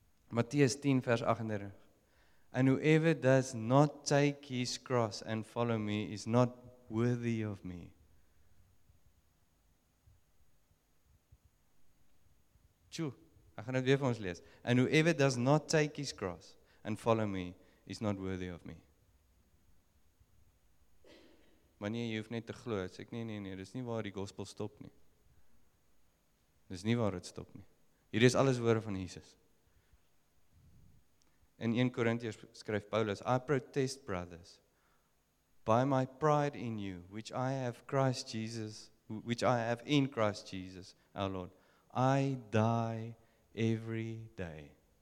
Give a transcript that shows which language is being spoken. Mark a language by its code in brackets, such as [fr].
[en] Matthew 10, verse 38. And whoever does not take his cross and follow me is not worthy of me. True. [af] Ek gaan dit weer vir ons lees. [en] And whoever does not take his cross and follow me is not worthy of me. [af] Wanneer jy hoef net te glo, sê ek nee, dis nie waar die gospel stop nie. Dis nie waar dit stop nie. Hierdie is alles woorde van Jesus. In 1 Korintiërs skryf Paulus, [en] I protest, brothers, by my pride in you, which I have Christ Jesus, which I have in Christ Jesus, our Lord, I die every day.